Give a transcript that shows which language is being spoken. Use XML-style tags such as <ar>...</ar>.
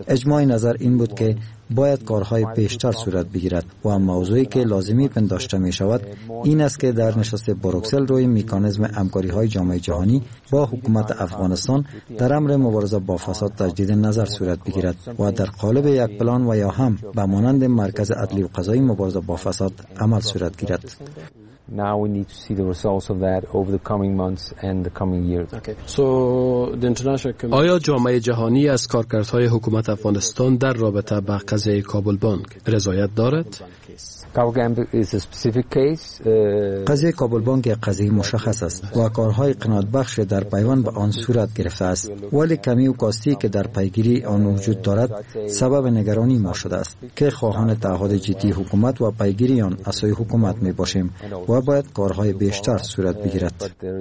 <fa>اجماع نظر این بود که باید کارهای پیشتر صورت بگیرد و موضوعی که لازمی پنداشته می شود این است که در نشست بروکسل روی میکانیزم همکاری های جامعه جهانی با حکومت افغانستان در امر مبارزه با فساد تجدید نظر صورت بگیرد و در قالب یک پلان و یا هم به مانند مرکز عدلی و قضایی مبارزه با فساد عمل صورت گیرد.</fa> <en>Now we need to see the results of that over the coming months and the coming years. Okay. So the international community.</en> <fa>آیا جامعه جهانی از کارکردهای حکومت افغانستان در رابطه با قضیه کابل بانک رضایت دارد؟ قضیه کابل بانک یک قضیه مشخص است و کارهای قناعت بخش در پیوند به آن صورت گرفته است، ولی کمی و کاستی که در پیگیری آن وجود دارد سبب نگرانی ما شده است که خواهان تعهد جدی حکومت و پیگیری آن از سوی حکومت می باشیم و باید کارهای بیشتر صورت بگیرد.</fa>